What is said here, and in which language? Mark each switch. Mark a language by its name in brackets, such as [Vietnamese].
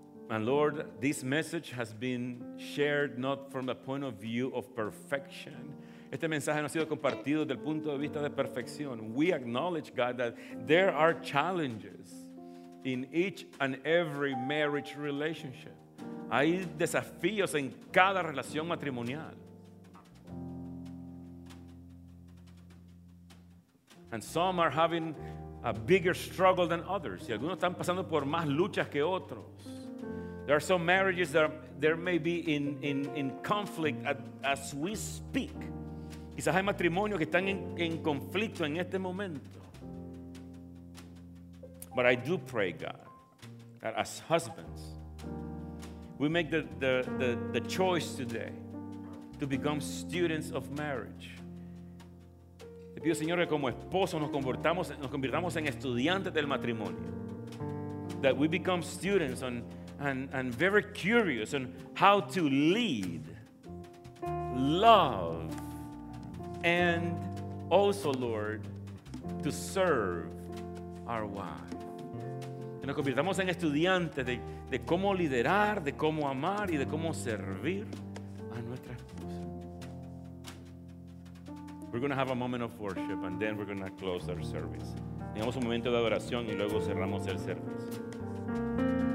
[English] And Lord, this message has been shared not from the point of view of perfection. [Spanish] Este mensaje no ha sido compartido desde el punto de vista de perfección. [English] We acknowledge, God, that there are challenges in each and every marriage relationship. [Spanish] Hay desafíos en cada relación matrimonial. [English] And some are having a bigger struggle than others. [Spanish] Y algunos están pasando por más luchas que otros. [English] There are some marriages that there may be in conflict as we speak. [Spanish] Quizás hay matrimonios que están en conflicto en este momento. [English] But I do pray, God, that as husbands, we make the choice today to become students of marriage. [Spanish] Te pido, Señor, que como esposos nos convirtamos en estudiantes del matrimonio. [English] That we become students and very curious on how to lead, love, and also, Lord, to serve our wives. [Spanish] Que nos convirtamos en estudiantes de cómo liderar, de cómo amar y de cómo servir a nuestra esposa. [English] We're going to have a moment of worship and then we're going to close our service. [Spanish] Tenemos un momento de adoración y luego cerramos el servicio.